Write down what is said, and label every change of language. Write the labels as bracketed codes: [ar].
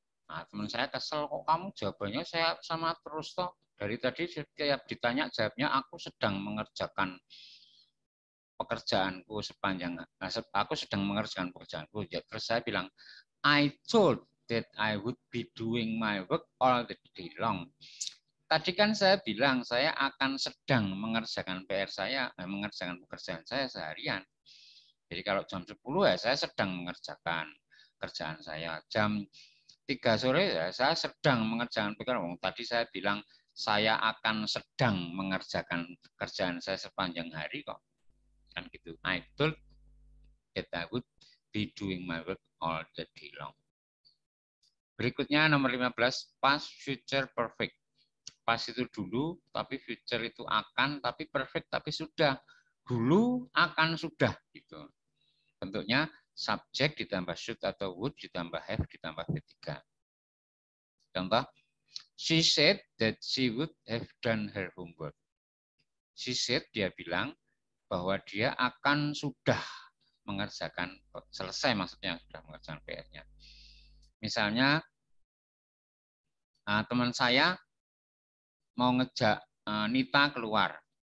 [id] Nah, teman saya kesel, kok kamu jawabannya saya sama terus toh. Dari tadi setiap ditanya jawabnya aku sedang mengerjakan pekerjaanku sepanjang aku sedang mengerjakan pekerjaanku. Ya, terus saya bilang, [en] I told that I would be doing my work all the day long. [id] Tadi kan saya bilang saya akan sedang mengerjakan PR saya, mengerjakan pekerjaan saya seharian. Jadi kalau jam 10 ya saya sedang mengerjakan kerjaan saya. Jam 3 sore ya saya sedang mengerjakan pekerjaan. Tadi saya bilang saya akan sedang mengerjakan kerjaan saya sepanjang hari kok. Kan gitu. [en] I told that I would be doing my work all the day long. [id] Berikutnya nomor 15, past future perfect. Past itu dulu, tapi future itu akan, tapi perfect, tapi sudah. Dulu, akan, sudah. Gitu. Bentuknya subject ditambah should atau would ditambah have ditambah V3. Contoh, [en] she said that she would have done her homework. She said, [id] dia bilang, bahwa dia akan sudah mengerjakan, selesai maksudnya, sudah mengerjakan PR-nya. Misalnya, teman saya mau ngejak Nita keluar.